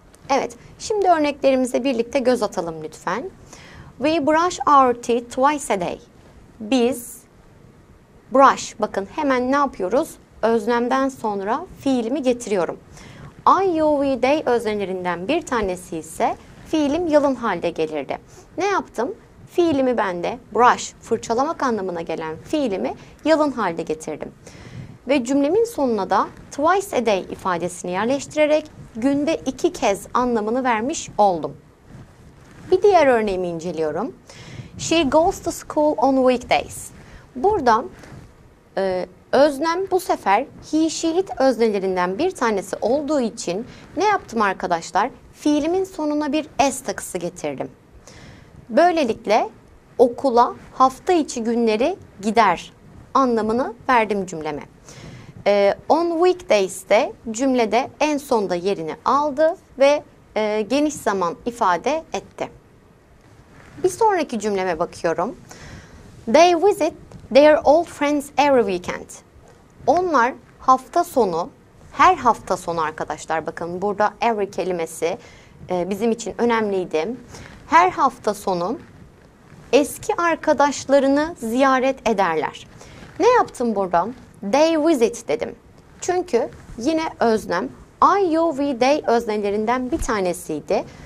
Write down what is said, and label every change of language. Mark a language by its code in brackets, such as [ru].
[tr] Evet, şimdi örneklerimize birlikte göz atalım lütfen. [en] We brush our teeth twice a day. [tr] Biz brush, bakın hemen ne yapıyoruz? Öznemden sonra fiilimi getiriyorum. [en] I, you, we, they [tr] öznelerinden bir tanesi ise fiilim yalın halde gelirdi. Ne yaptım? Fiilimi ben de brush, fırçalamak anlamına gelen fiilimi yalın halde getirdim. Ve cümlemin sonuna da [en] twice a day [tr] ifadesini yerleştirerek günde iki kez anlamını vermiş oldum. Bir diğer örneğimi inceliyorum. [en] She goes to school on weekdays. [tr] Burada öznem bu sefer [en] he, she, it [tr] öznelerinden bir tanesi olduğu için ne yaptım arkadaşlar? Fiilimin sonuna bir s takısı getirdim. Böylelikle okula hafta içi günleri gider anlamını verdim cümleme. [en] On weekdays [tr] de cümlede en sonda yerini aldı ve geniş zaman ifade etti. Bir sonraki cümleme bakıyorum. [en] They visit their old friends every weekend. [tr] Onlar hafta sonu, her hafta sonu arkadaşlar bakın burada every kelimesi bizim için önemliydi. Her hafta sonu eski arkadaşlarını ziyaret ederler. Ne yaptım burada? [en] They visit [tr] dedim. Çünkü yine öznem [en] I, you, we, they [tr] öznelerinden bir tanesiydi.